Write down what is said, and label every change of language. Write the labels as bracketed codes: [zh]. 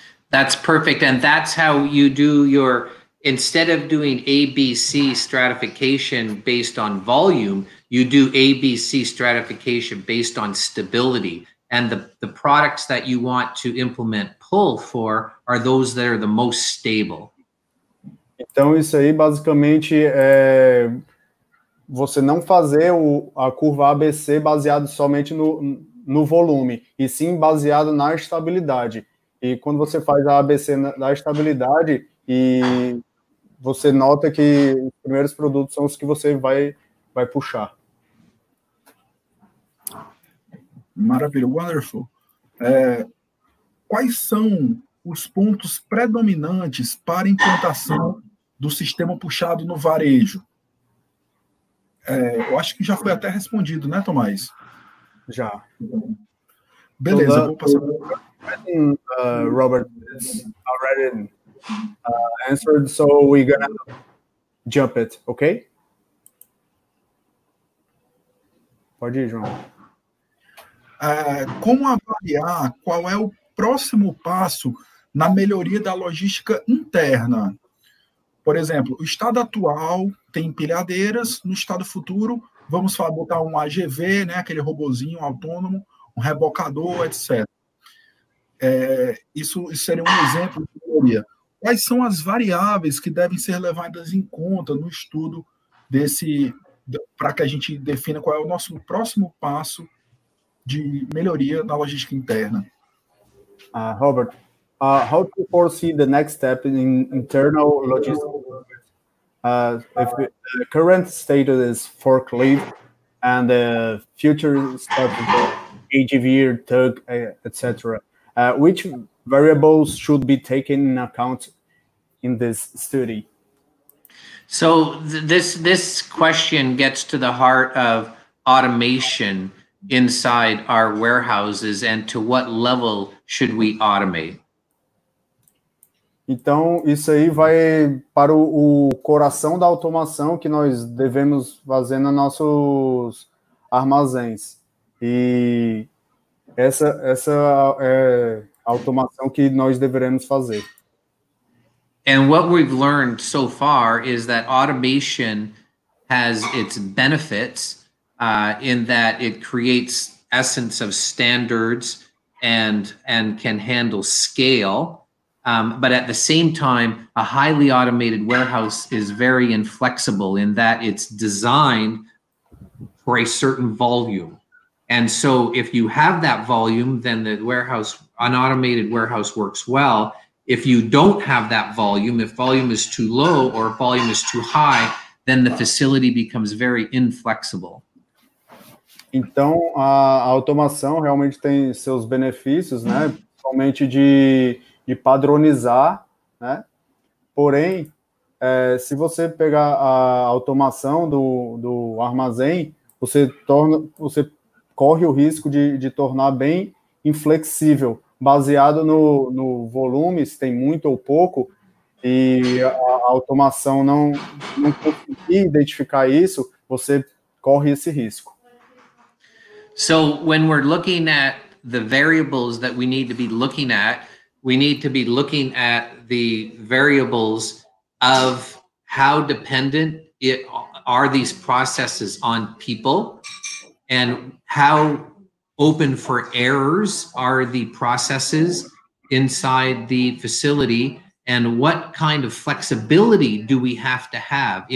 [en] That's perfect, and that's how you do your, instead of doing ABC stratification based on volume, you do ABC stratification based on stability. And the products that you want to implement pull for are those that are the most stable. [pt] Então, isso aí, basicamente, é você não fazer a curva ABC baseado somente no volume, e sim baseado na estabilidade. E quando você faz a ABC da estabilidade, e você nota que os primeiros produtos são os que você vai puxar. Maravilha, [en] wonderful. [pt] Quais são os pontos predominantes para implantação do sistema puxado no varejo? Eu acho que já foi até respondido, né, Tomás? Já. Beleza, vou passar para o [en] Robert has already answered, so we're gonna jump it, okay? [pt] Pode ir, João. Como avaliar qual é o próximo passo na melhoria da logística interna? Por exemplo, o estado atual tem empilhadeiras, no estado futuro vamos botar um AGV, né, aquele robozinho autônomo, um rebocador, etc. Isso seria um exemplo de melhoria. Quais são as variáveis que devem ser levadas em conta no estudo para que a gente defina qual é o nosso próximo passo de melhoria na logística interna? [en] Robert, how do you foresee the next step in internal logistics? If the current status is forklift and the future step is AGV or tug, etc., which variables should be taken into account in this study? So this question gets to the heart of automation inside our warehouses, and to what level should we automate? [pt] Então, isso aí vai para o coração da automação que nós devemos fazer nos nossos armazéns. E essa é a automação que nós deveremos fazer. [en] And what we've learned so far is that automation has its benefits, in that it creates essence of standards and can handle scale. But at the same time, a highly automated warehouse is very inflexible in that it's designed for a certain volume. And so if you have that volume, then the warehouse, an automated warehouse works well. If you don't have that volume, if volume is too low or volume is too high, then the facility becomes very inflexible. [pt] Então, a automação realmente tem seus benefícios, né? Principalmente de padronizar, né? Porém, se você pegar a automação do armazém, você torna, você corre o risco de tornar bem inflexível, baseado no volume, se tem muito ou pouco, e a automação não conseguir identificar isso, você corre esse risco. [en] So when we're looking at the variables that we need to be looking at, we need to be looking at the variables of how dependent it are these processes on people, and how open for errors are the processes inside the facility, and what kind of flexibility do we have to have?